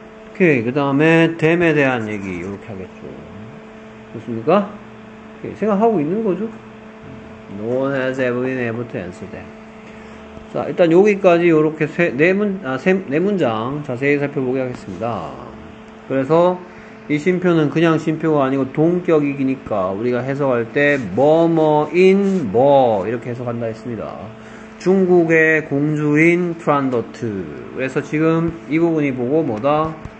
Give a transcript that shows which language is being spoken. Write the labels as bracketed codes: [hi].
[ko] 오케이, 그 다음에 댐에 대한 얘기 이렇게 하겠죠. 좋습니까? 오케이, 생각하고 있는 거죠. [en] No one has ever been able to answer them. [ko] 자, 일단 여기까지 이렇게 네 문장 자세히 살펴보게 하겠습니다. 그래서 이 쉼표는 그냥 쉼표가 아니고 동격이니까 우리가 해석할 때 뭐뭐인 뭐 이렇게 해석한다 했습니다. 중국의 공주인 트란더트. 그래서 지금 이 부분이 보고 뭐다?